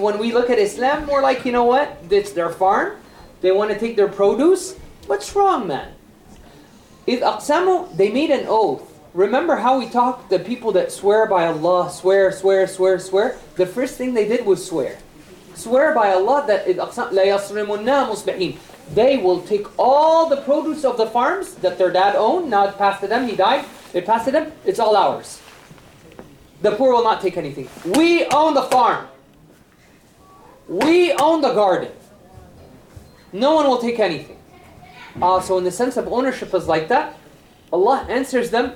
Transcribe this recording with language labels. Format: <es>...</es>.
<en>When we look at Islam, we're like, you know what? It's their farm. They want to take their produce. What's wrong, man?</en> <ar>إِذْ أَقْسَمُوا,</ar> <en>they made an oath. Remember how we talked, the people that swear by Allah, swear, swear, swear, swear. The first thing they did was swear. Swear by Allah that</en> <ar>إِذْ أَقْسَمُوا لَا يَصْرِمُنَّا مُصْبِحِينَ.</ar> <en>They will take all the produce of the farms that their dad owned. Now it passed to them, he died. It passed to them, it's all ours. The poor will not take anything. We own the farm. We own the garden. No one will take anything. So in the sense of ownership is like that, Allah answers them.</en>